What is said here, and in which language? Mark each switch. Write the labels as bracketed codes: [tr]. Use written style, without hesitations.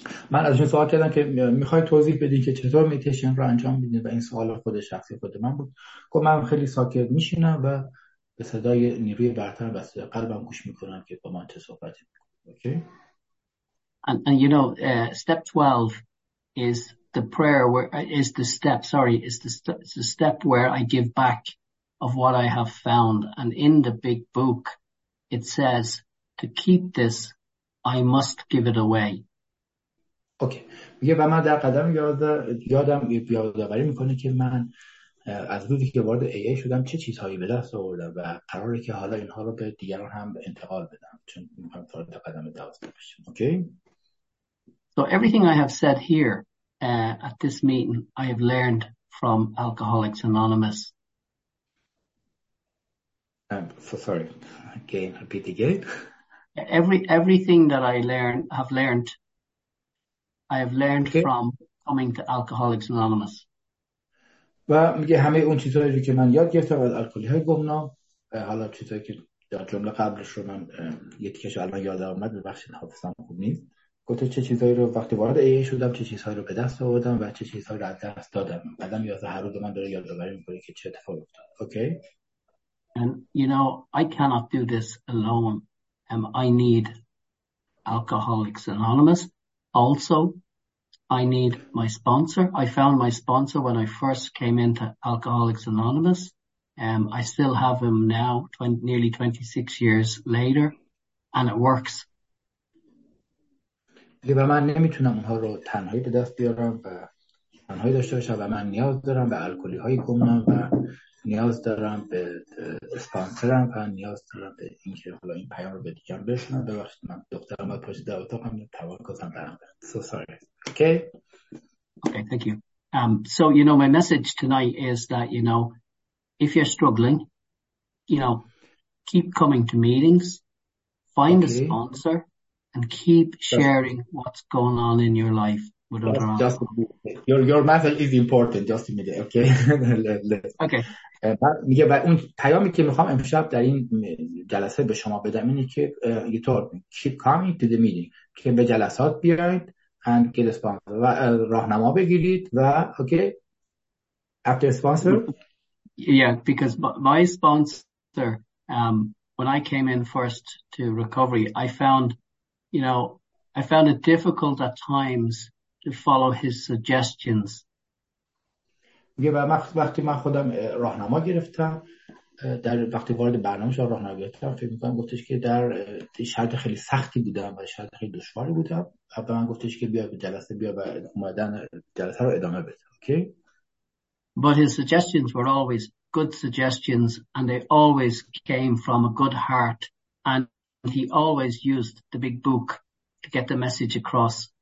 [fa] من ازشون سوال کردم که میخوای توضیح بدین که چطور میتیشن رو انجام میدین و این سوال خود شخصی خود من بود. که من خیلی ساکت میشینم و به صدای نیروی برتر و صدای قلبم گوش میکنم که با من چه صحبت میکنم. [en] Okay. And you know, step 12 is the prayer where is the step where I give back of what I have found, and in the big book it says to keep this I must give it away. Okay. [fa] میگه و من در قدم یادم یادآوری میکنه که من از روزی که وارد ای ای شدم چه چیزهایی به دست آوردم و قراره که حالا اینها رو به دیگران هم انتقال بدم چون میخوام وارد قدم 12 بشم. [en] Okay. So everything I have said here at this meeting, I have learned from Alcoholics Anonymous. I'm so sorry. Again, repeat again. Everything that I have learned, I have learned okay. from coming to Alcoholics Anonymous. [fa] و میگه همه اون چیزهایی که من یاد گرفتم از الکلی‌های گمنام، حالا چیزهایی که در جمله قبلش رو من یکیش الان یادم اومد، ببخشید حافظه‌ام خوب نیست. گفته چه چیزهایی رو وقتی وارد ای شدم چه چیزهایی رو به دست آوردم و چه چیزهایی رو از دست دادم. بعدم یاد هر روز من داره یادآوری میکنه که چه اتفاقی افتاد. [en] Okay. And you know, I cannot do this alone. I need Alcoholics Anonymous. Also, I need my sponsor. I found my sponsor when I first came into Alcoholics Anonymous. I still have him now, nearly 26 years later, and it works. [fa] و من نمیتونم اونها رو تنهایی به دست بیارم و تنهایی داشته باشم و من نیاز دارم به الکلی های گمنام و نیاز دارم به اسپانسرم و نیاز دارم به اینکه حالا این پیام رو به دیگران برسونم. ببخشید من دخترم اومد پشت در اتاقم تمرکزم برام بود. [en] So sorry. Okay, thank you. So you know my message tonight is that you know if you're struggling, you know keep coming to meetings, find okay. a sponsor. And keep sharing that's, what's going on in your life with other people. Your message is important. Just a minute, okay? Okay. [fa] But اون پیامی که میخوام امشب در این جلسه به شما بدم اینه که یتور [en] keep coming to the meeting. [fa] که به جلسات بیاید [en] and get a sponsor. [fa] و راهنما بگیرید و [en] okay after sponsor. Yeah, because my sponsor, when I came in first to recovery, I found You know, I found it difficult at times to follow his suggestions. [fa] Yeah, وقتی من خودم راهنما گرفتم در وقتی وارد برنامه شدم راهنما گرفتم فکر می‌کنم گفتش که در شرایط خیلی سختی بودم و شرایط خیلی دشواری بودم بعد من گفتش که بیا به جلسه بیا و اومدن جلسه رو ادامه بده. [en] Okay. But his suggestions were always good suggestions and they always came from a good heart and And he always used the big book to get the message across.